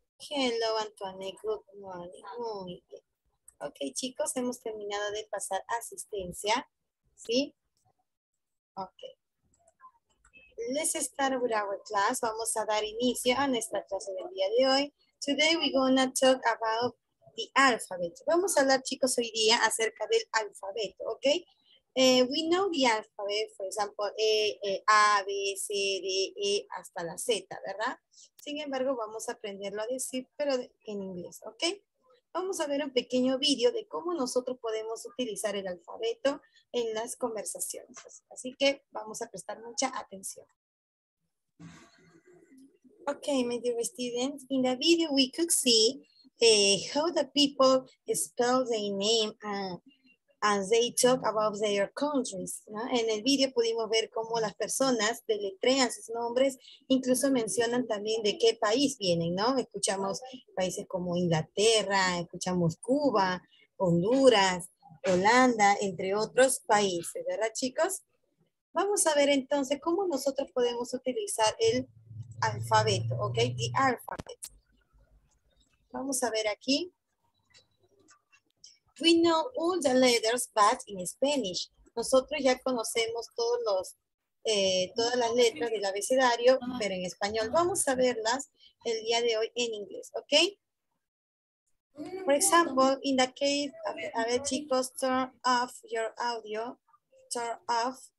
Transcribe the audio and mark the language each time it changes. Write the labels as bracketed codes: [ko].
[en] Hello, Antoine. Good morning. [es] Muy bien. Ok, chicos, hemos terminado de pasar asistencia. ¿Sí? Ok. [en] Let's start with our class. [es] Vamos a dar inicio a nuestra clase del día de hoy. [en] Today we're going to talk about the alphabet. [es] Vamos a hablar, chicos, hoy día acerca del alfabeto, ¿ok? [en] We know the alphabet, for example, [es] A, B, C, D, E, hasta la Z, ¿verdad? Sin embargo, vamos a aprenderlo a decir, pero en inglés, ¿ok? vamos a ver un pequeño video de cómo nosotros podemos utilizar el alfabeto en las conversaciones. Así que vamos a prestar mucha atención. [en] Okay, my dear students, in the video we could see how the people spell their name and they talk about their countries, ¿no? [es] En el video pudimos ver cómo las personas deletrean sus nombres, incluso mencionan también de qué país vienen, ¿no? Escuchamos países como Inglaterra, escuchamos Cuba, Honduras, Holanda, entre otros países, ¿verdad, chicos? Vamos a ver entonces cómo nosotros podemos utilizar el alfabeto, ¿ok? [en] The alphabet. [es] Vamos a ver aquí. [en] We know all the letters, but in Spanish. [es] Nosotros ya conocemos todos los, todas las letras del abecedario, pero en español. Vamos a verlas el día de hoy en inglés, ¿ok? [en] For example, in the case, [es] a ver chicos, [en] turn off your audio. Turn off.